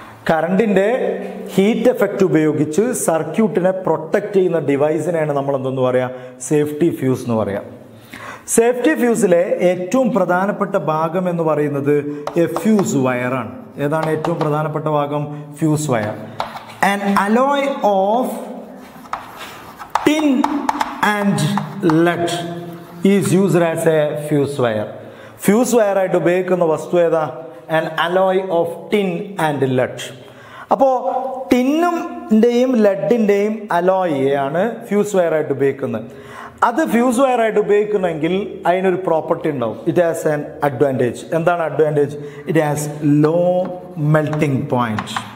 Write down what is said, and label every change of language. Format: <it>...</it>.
<ml>കറണ്ടിൻ്റെ heat effect ഉപയോഗിച്ച് സർക്യൂട്ടിനെ protect ചെയ്യുന്ന ഡിവൈസിനെയാണ് നമ്മൾ എന്തെന്ന് പറയുക? സേഫ്റ്റി ഫ്യൂസ് എന്ന് പറയാം. സേഫ്റ്റി ഫ്യൂസിലെ ഏറ്റവും പ്രധാനപ്പെട്ട ഭാഗം എന്ന് പറയുന്നത് എ ഫ്യൂസ് വയറാണ്. ഏതാണ് ഏറ്റവും പ്രധാനപ്പെട്ട ഭാഗം? Fuse wire.</ml> <en>an alloy of tin and lead is used as a fuse wire.</en> <ml>Fuse wire ആയിട്ട് ഉപയോഗിക്കുന്ന വസ്തു ഏതാ?</ml> <en>An alloy of tin and lead.</en> <ml>അപ്പോൾ ടിന്നിൻ്റെയും ലെഡിൻ്റെയും അലോയാണ് ഫ്യൂസ് വയർ ആയിട്ട് ഉപയോഗിക്കുന്നത്. അത് ഫ്യൂസ് വയർ ആയിട്ട് ഉപയോഗിക്കുന്നെങ്കിൽ അതിനൊരു പ്രോപ്പർട്ടി ഉണ്ടാവും.</ml> <en>It has an advantage.</en> <ml>എന്താണ് advantage?</ml> <en>It has low melting point.</en>